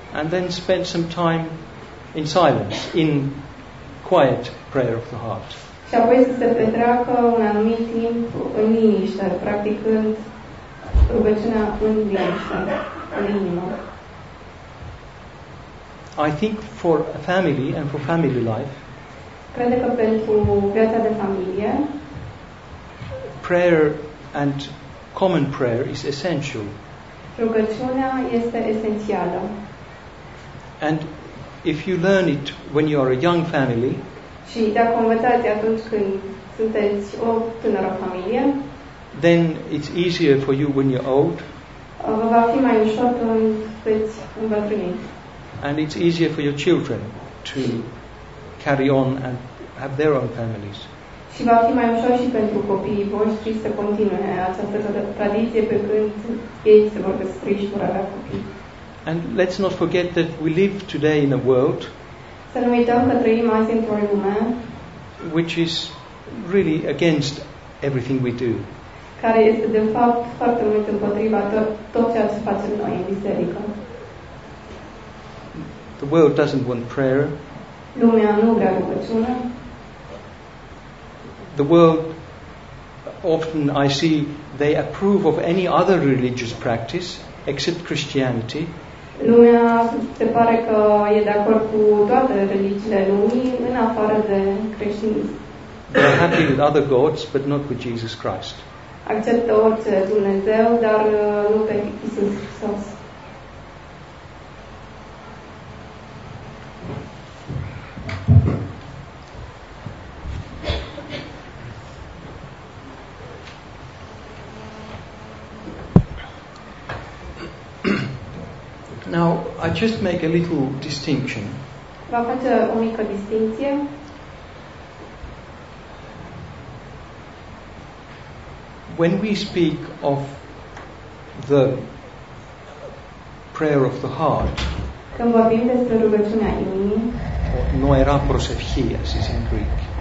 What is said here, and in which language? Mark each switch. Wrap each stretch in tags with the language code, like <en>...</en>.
<en>And then spend some time in silence, in quiet prayer of the heart.</en> <ro>Și apoi să se petreacă un anumit timp în liniște, practicând rugăciunea în liniște, în inimă.</ro> <en>I think for a family and for family life.</en> <ro>Cred că pentru viața de familie.</ro> <en>Prayer and common prayer is essential.</en> <ro>Rugăciunea este esențială.</ro> <en>And if you learn it when you are a young family.</en> <ro>Și dacă învățați atunci când sunteți o tânără familie.</ro> <en>Then it's easier for you when you're old.</en> <ro>Vă va fi mai ușor când sunteți îmbătrâni.</ro> <en>And it's easier for your children to carry on and have their own families.</en> <ro>Și va fi mai ușor și pentru copiii voștri să continue această tradiție pe când ei se vor descrie și vor avea copii.</ro> <en>And let's not forget that we live today in a world.</en> <ro>Să nu uităm că trăim azi într-o lume.</ro> <en>Which is really against everything we do.</en> <ro>Care este de fapt foarte mult împotriva tot ceea ce facem noi în biserică.</ro> <en>The world doesn't want prayer.</en> <ro>Lumea nu vrea rugăciune.</ro> <en>The world, often I see, they approve of any other religious practice except Christianity.</en> <ro>Lumea se pare că e de acord cu toate religiile lumii în afară de creștinism.</ro> <en>They're happy with other gods, but not with Jesus Christ.</en> <ro>Acceptă orice Dumnezeu, dar nu pe Iisus Hristos.</ro> <en>Now, I just make a little distinction.</en> <ro>Va face o mică distinție.</ro> <en>When we speak of the prayer of the heart,</en> <ro>când vorbim despre rugăciunea inimii,</ro> <en>or no νοερά προσευχή, as is in Greek.</en>